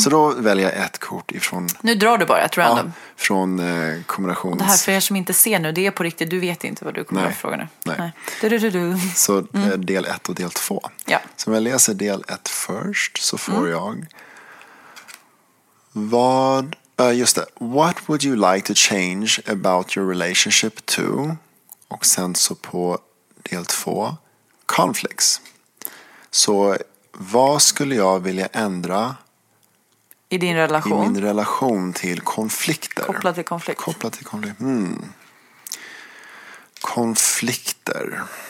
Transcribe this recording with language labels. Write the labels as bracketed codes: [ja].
[sv] Så då väljer jag ett kort ifrån... Nu drar du bara ett random. Ja, från kombinations... Det här för er som inte ser nu, det är på riktigt. Du vet inte vad du kommer att fråga nu. Nej. Du. Så del ett och del två. Ja. Så om jag läser del ett först så får jag... Vad, just det. [en] What would you like to change about your relationship to? [sv] Och sen så på del två, conflicts. Så vad skulle jag vilja ändra i din relation? I min relation till konflikter. Kopplat till konflikt. Kopplat till konflikt. Mm. Konflikter.